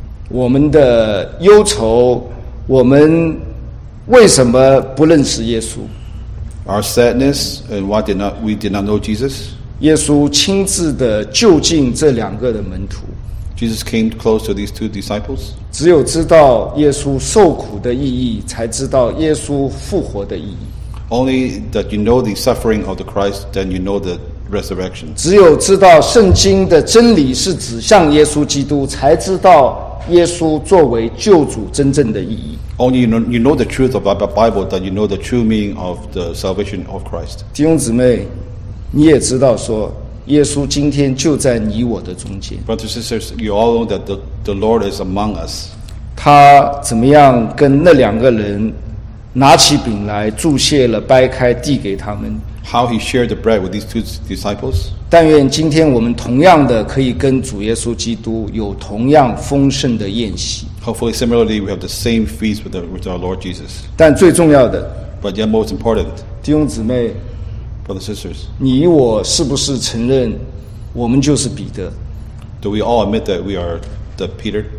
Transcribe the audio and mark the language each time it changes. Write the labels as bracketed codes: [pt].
[zh] 我们的忧愁，我们为什么不认识耶稣 [en] ？Our sadness and why did not know Jesus? [zh] 耶稣亲自的就近这两个的门徒。 [en] Jesus came close to these two disciples. [zh] 只有知道耶稣受苦的意义，才知道耶稣复活的意义。 [en] Only that you know the suffering of the Christ, then you know the resurrection. [zh] 只有知道圣经的真理是指向耶稣基督，才知道耶稣作为救主真正的意义。 [en] Only you know the truth of the Bible, that you know the true meaning of the salvation of Christ. [zh] 弟兄姊妹，你也知道说，耶稣今天就在你我的中间。 [en] Brothers and sisters, you all know that the Lord is among us. [zh] 他怎么样跟那两个人拿起饼来，祝谢了，掰开，递给他们 [en] ？How he shared the bread with these two disciples? [zh] 但愿今天我们同样的可以跟主耶稣基督有同样丰盛的宴席。 [en] Hopefully, similarly, we have the same feast with our Lord Jesus. [zh] 但最重要的 [en] ，But yet most important, [zh] 弟兄姊妹 [en] ，Brothers and sisters, [zh] 你我是不是承认我们就是彼得 [en] ？Do we all admit that we are the Peter?